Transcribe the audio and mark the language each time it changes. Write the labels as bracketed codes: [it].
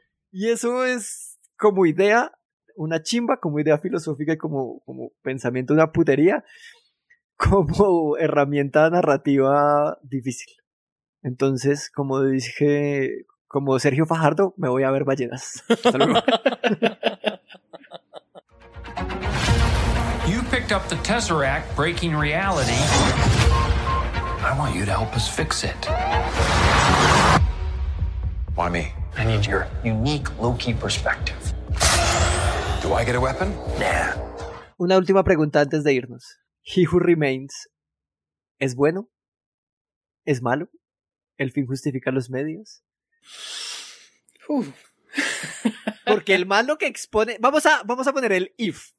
[es] Y eso es como idea, una chimba, como idea filosófica y como pensamiento, una putería, como herramienta narrativa difícil. Entonces, como dije, como Sergio Fajardo, me voy a ver ballenas. Hasta luego. [en] You picked up the Tesseract breaking reality. I want you to help us fix it. Why me? I need your unique Loki perspective. Do I get a weapon? Nah. [es] Una última pregunta antes de irnos. He Who Remains, ¿es bueno? ¿Es malo? ¿El fin justifica los medios? Porque el man lo que expone, vamos a poner el if,